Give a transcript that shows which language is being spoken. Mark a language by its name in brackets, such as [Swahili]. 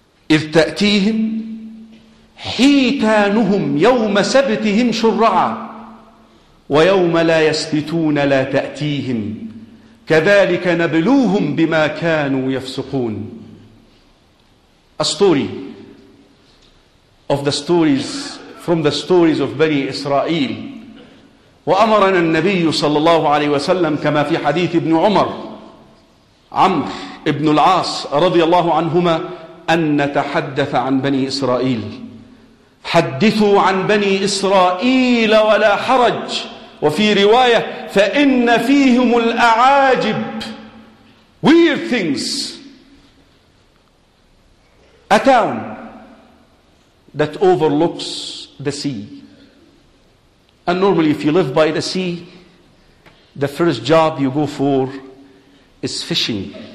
[Arabic] إذ تأتيهم حيتانهم يوم سبتهم شرعا ويوم لا يسبتون لا تأتيهم كذلك نبلوهم بما كانوا يفسقون. [English] A story of the stories from the stories of Bani Israel. [Arabic] وأمرنا النبي صلى الله عليه وسلم كما في حديث ابن عمر عمرو ابن العاص رضي الله عنهما أن نتحدث عن بني إسرائيل. حدثوا عن بني إسرائيل ولا حرج. وفي رواية فإن فيهم الأعاجب. [English] Weird things. A town that overlooks the sea. And normally if you live by the sea, the first job you go for is fishing.